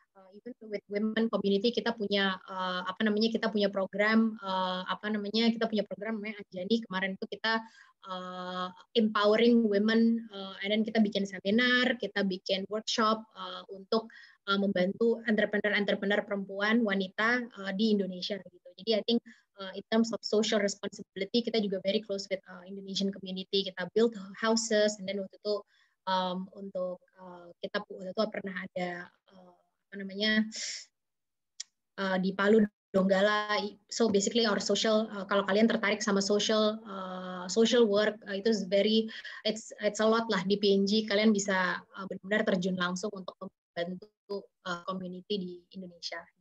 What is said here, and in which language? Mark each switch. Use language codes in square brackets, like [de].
[id] Even with women community, kita punya, apa namanya, kita punya program, apa namanya, kita punya program namanya Anjani, kemarin itu kita [en] empowering women, [id] and then kita bikin seminar, kita bikin workshop untuk membantu entrepreneur-entrepreneur perempuan, wanita di Indonesia. Gitu. [en] Jadi, I think in terms of social responsibility, [id] kita juga [en] very close with Indonesian community. [id] Kita [en] build houses, [id] and then waktu itu untuk kita waktu itu pernah ada apa namanya di Palu, Donggala. [en] So basically, our social, [id] kalau kalian tertarik sama [en] social social work, itu is very it's a lot lah di PNG. [id] Kalian bisa benar-benar terjun langsung untuk membantu community di Indonesia.